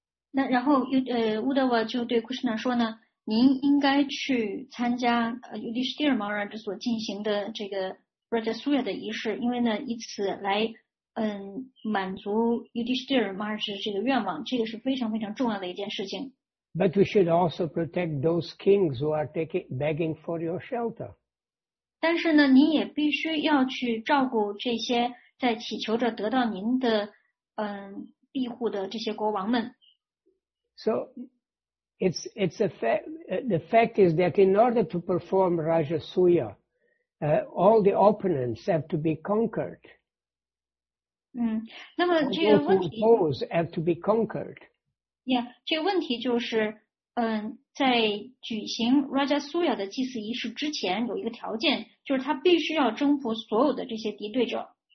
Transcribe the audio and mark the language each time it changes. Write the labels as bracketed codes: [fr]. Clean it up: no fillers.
[zh] 那然后Uddhava 就对 Krishna 说呢您应该去参加Yudhisthira Maharaj所进行的这个 Rajasuya 的仪式因为呢以此来满足 Yudhisthira Maharaj 这个愿望这个是非常非常重要的一件事情。 [en] But we should also protect those kings who are begging for your shelter. [zh] 但是呢，您也必须要去照顾这些在祈求着得到您的庇护的这些国王们。 [en] So it's a fact. The fact is that in order to perform Rajasuya, all the opponents have to be conquered. [zh] 那么这个问题。 [en] All those who oppose have to be conquered. [zh] Yeah, 这个问题就是，在举行 Rajasuya 的祭祀仪式之前，有一个条件，就是他必须要征服所有的这些敌对者。